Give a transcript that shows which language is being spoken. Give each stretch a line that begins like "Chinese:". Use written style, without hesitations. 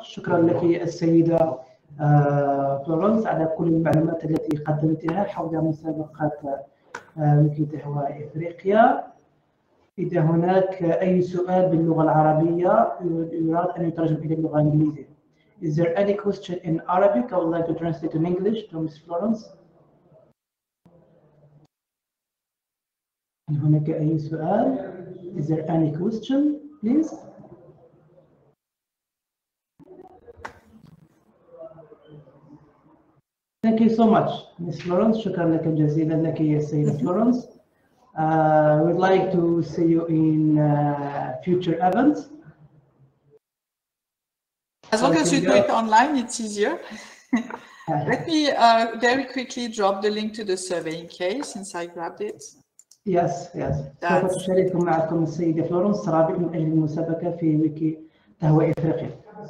Arabic: شكراً لك السيدة فلورنس على كل المعلومات التي قدمتها حول مسابقة ويكي تهوى إفريقيا. إذا هناك أي سؤال باللغة العربية يراد أن يترجم إلى اللغة الإنجليزية.
English: Is there any question in Arabic I would like to translate in English to Ms. Florence?
Arabic: هل هناك أي سؤال؟
English: Is there any question, please? Thank you so much, Ms. Florence.
Arabic: شكرا لك جزيلا لك يا سيدة فلورنس.
English: We'd like to see you in future events. As long as you do it online, it's easier. Let me very quickly drop the link to the survey in case, since I grabbed it. Yes, yes.
Arabic: سوف تشارك معكم السيدة فلورنس رابط من أجل المسابقة في ويكي تهوى إفريقيا.